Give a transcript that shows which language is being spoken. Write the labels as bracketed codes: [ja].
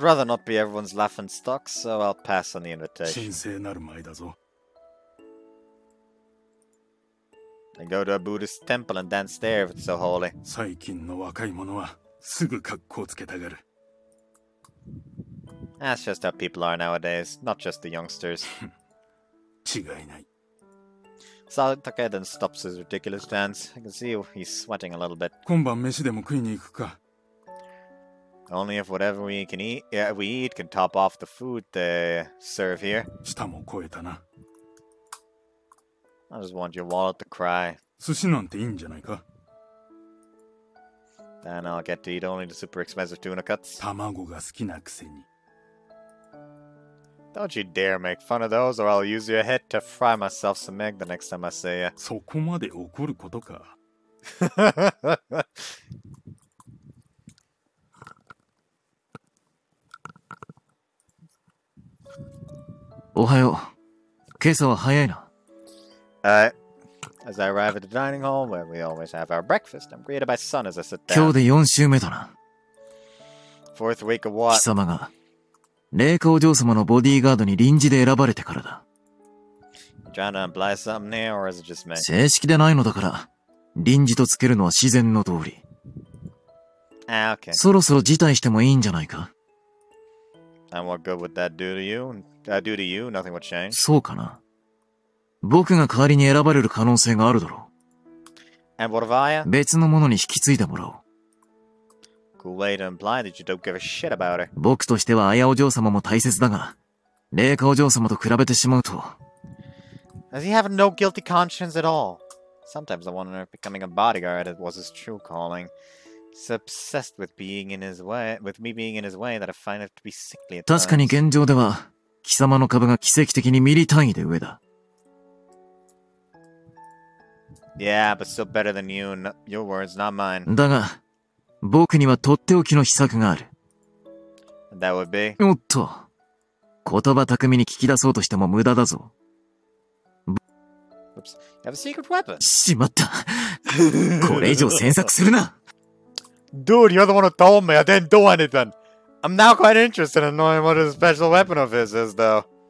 [en] rather not be everyone's laughing stock, so I'll pass on the invitation. [ja] 神聖なる舞だぞ。 [en] I go to a Buddhist temple and dance there if it's so holy. [ja] 最近の若い者はすぐ格好つけたがる。 [en] That's just how people are nowadays, not just the youngsters. [ja] 違いない。 [en] Satake then stops his ridiculous dance. I can see he's sweating a little bit. [ja] 今晩飯でも食いに行くか? [en] Only if whatever we can eat, yeah, we eat can top off the food they serve here. [ja] 舌も肥えたな。 [en] I just want your wallet to cry. [ja] 寿司なんていいんじゃないか? [en] Then I'll get to eat only the super expensive tuna cuts. [ja] 卵が好きなくせに。 [en] Don't you dare make fun of those, or I'll use your head to fry myself some egg the next time I see ya. [ja] そこまで怒ることか? おはよう。今朝は早いな。 [en] As I arrive at the dining hall, where we always have our breakfast, I'm greeted by Sun as I sit down. [ja] 今日で4週目だな。 [en] Fourth week of what? [ja] 貴様が。レイカお嬢様のボディーガードに臨時で選ばれてからだ。 [en] Trying to imply something here, or is it just me? [ja] 正式でないのだから、臨時とつけるのは自然の通り。 [en] Ah, okay. [ja] そろそろ辞退してもいいんじゃないか? [en] And what good would that do to you? Do to you? Nothing would change. [ja] そうかな。僕が代わりに選ばれる可能性があるだろう。 [en] And what if I? [ja] 別のものに引き継いでもらおう。 [en] Cool way to imply that you don't give a shit about her. [ja] 僕としてはアヤお嬢様も大切だが、レイカお嬢様と比べてしまうと。 [en] Does he have no guilty conscience at all? Sometimes I wonder if becoming a bodyguard was his true calling. He's obsessed with being in his way, with me being in his way, that I find it to be sickly at times. [ja] 確かに現状では、貴様の株が奇跡的にミリ単位で上だ。 [en] Yeah, but still better than you. No, your words, not mine. [ja] だが、 僕にはとっておきの秘策がある。 [en] That would be? [ja] おっと。言葉巧みに聞き出そうとしても無駄だぞ。 [en] Oops. You have a secret weapon? [ja] しまった。これ以上詮索するな! [en] Dude, you're the one who told me. I didn't do anything. I'm now quite interested in knowing what a special weapon of his is, though.